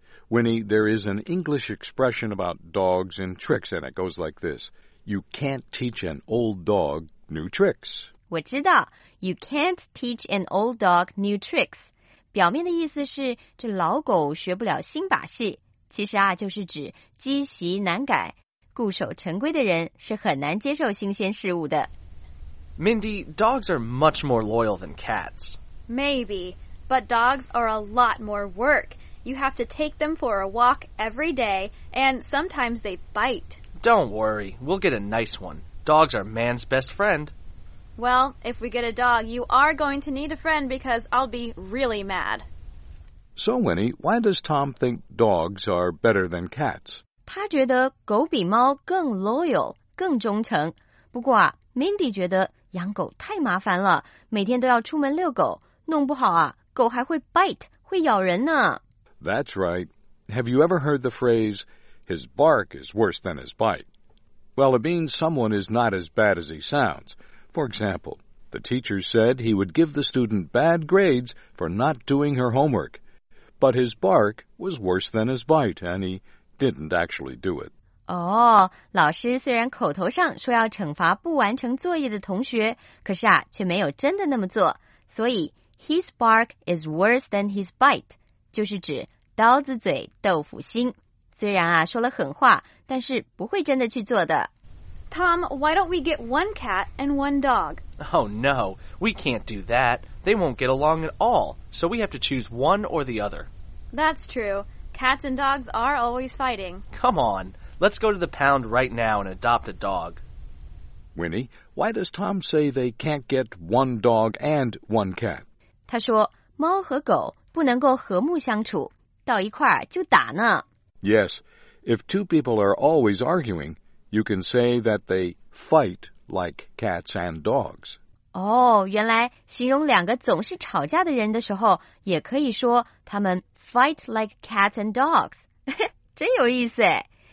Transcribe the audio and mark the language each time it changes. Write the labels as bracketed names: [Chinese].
[English] Winnie, there is an English expression about dogs and tricks, and it goes like this. You can't teach an old dog new tricks. [Chinese] 我知道， [English] you can't teach an old dog new tricks. [Chinese] 表面的意思是这老狗学不了新把戏，其实啊就是指积习难改，固守成规的人是很难接受新鲜事物的。 [English] Mindy, dogs are much more loyal than cats. Maybe, but dogs are a lot more work. You have to take them for a walk every day, and sometimes they bite. Don't worry, we'll get a nice one. Dogs are man's best friend. Well, if we get a dog, you are going to need a friend because I'll be really mad. So, Winnie, why does Tom think dogs are better than cats? [Chinese] 他觉得狗比猫更 loyal, 更忠诚。不过啊 ,Mindy 觉得养狗太麻烦了，每天都要出门遛狗，弄不好啊，狗还会 bite, 会咬人呢。 [English] That's right. Have you ever heard the phrase, his bark is worse than his bite? Well, it means someone is not as bad as he sounds. For example, the teacher said he would give the student bad grades for not doing her homework. But his bark was worse than his bite, and he didn't actually do it. [Chinese] 哦，老师虽然口头上说要惩罚不完成作业的同学，可是啊，却没有真的那么做。所以 [English] his bark is worse than his bite, [Chinese] 就是指刀子嘴豆腐心。虽然啊，说了狠话，但是不会真的去做的。 [English] Tom, why don't we get one cat and one dog? Oh no, we can't do that. They won't get along at all, so we have to choose one or the other. That's true. Cats and dogs are always fighting. Come on, let's go to the pound right now and adopt a dog. Winnie, why does Tom say they can't get one dog and one cat? [Chinese] 他说猫和狗不能够和睦相处，到一块儿就打呢。 [English] Yes, if two people are always arguing,You can say that they fight like cats and dogs. [Chinese] 哦，原来形容两个总是吵架的人的时候，也可以说他们 [English] fight like cats and dogs， [Chinese] 真有意思哎。